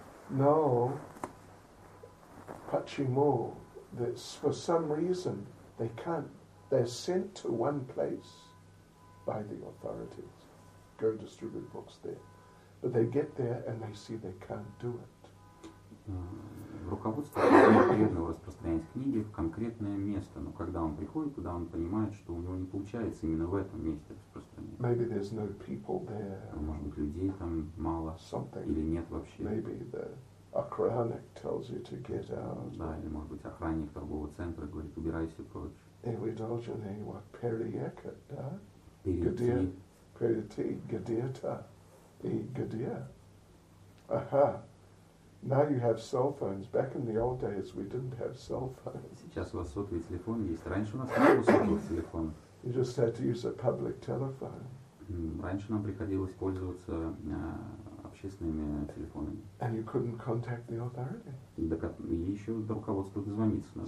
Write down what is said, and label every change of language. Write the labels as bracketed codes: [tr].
[ru] Но почему, [en] that for some reason, they can't, they're sent to one place by the authorities, go distribute books there. But they get there and they see they can't do it. [ru] Руководство конкретно распространяет книги в конкретное место, но когда он приходит туда, он понимает, что у него не получается именно в этом месте распространять. [en] Maybe there's no people there. [ru] Может быть, людей там мало. [en] Something. [ru] Или нет вообще. [en] Maybe the охранник tells you to get out. [ru] Да, или может быть охранник торгового центра говорит, убирайся прочь. И вы должны его переехать, да? Перейти где-то. И где? Ага. [en] Now you have cell phones. Back in the old days, we didn't have cell phones. [ru] Сейчас у вас сотовый телефон есть. Раньше у нас не было сотового телефона. [en] You just had to use a public telephone. [ru] Раньше нам приходилось пользоваться общественными телефонами. [en] And you couldn't contact the authority. [ru] И еще до руководства дозвониться надо.